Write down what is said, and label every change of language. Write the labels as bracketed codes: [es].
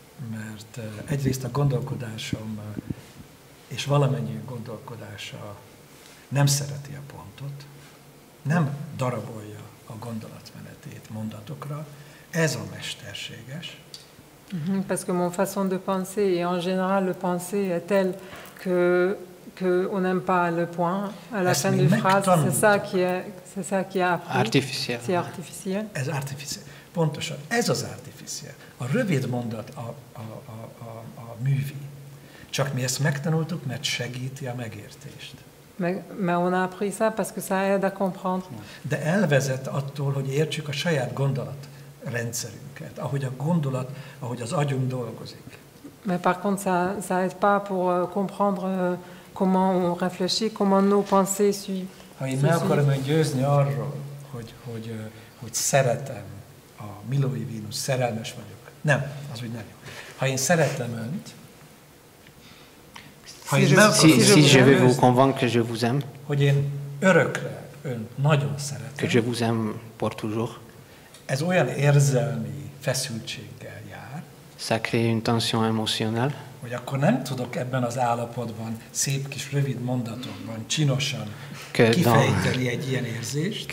[hu] mert egyrészt a gondolkodásom és valamennyi gondolkodása nem szereti a pontot, nem darabolja a gondolatmenetét mondatokra, ez a mesterséges. [fr] Parce que mon façon de penser et en général le penser est telle que on n'aime pas le point à la fin de phrase, c'est ça qui est artificiel. C'est artificiel. [hu] Ez artificiel. Pontosan, ez az artificiel. A rövid mondat a művi. Csak mi ezt megtanultuk, mert segíti a megértést. [fr] Mais on a appris ça parce que ça aide à comprendre. [hu] De elvezet attól, hogy értsük a saját gondolatrendszerünket, ahogy a gondolat, ahogy az agyunk dolgozik. [fr] Mais par contre, ça aide pas pour comprendre comment on réfléchit, comment nos pensées suivent. [hu] Ha én meg akarom győzni arról, hogy szeretem a Milói Vénusz, szerelmes vagyok. Nem, az úgy nem jó. Ha én szeretem önt, [fr] Si je veux vous convaincre que je vous aime, [hu] hogy én örökre önt nagyon szeretem, [fr] que je vous aime pour toujours, [hu] ez olyan érzelmi feszültséggel jár, [fr] ça crée une tension émotionnelle, [hu] hogy akkor nem tudok ebben az állapotban, szép kis rövid mondatokban, csinosan kifejteni egy ilyen érzést,